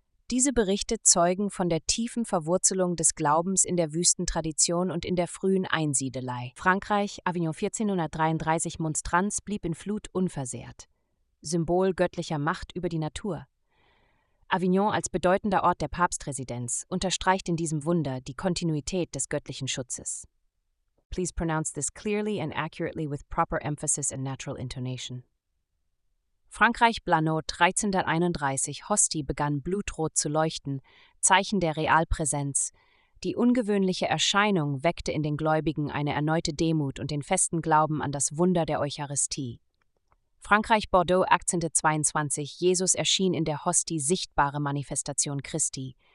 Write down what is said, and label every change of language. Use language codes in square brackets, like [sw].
[de] Diese Berichte zeugen von der tiefen Verwurzelung des Glaubens in der Wüstentradition und in der frühen Einsiedelei. Frankreich, Avignon 1433, Monstranz blieb in Flut unversehrt. Symbol göttlicher Macht über die Natur. Avignon als bedeutender Ort der Papstresidenz unterstreicht in diesem Wunder die Kontinuität des göttlichen Schutzes. [en] Please pronounce this clearly and accurately with proper emphasis and natural intonation. [de] Frankreich, Blanot, 1331, Hostie begann blutrot zu leuchten, Zeichen der Realpräsenz. Die ungewöhnliche Erscheinung weckte in den Gläubigen eine erneute Demut und den festen Glauben an das Wunder der Eucharistie. Frankreich, Bordeaux, Akzente 22, Jesus erschien in der Hostie sichtbare Manifestation Christi.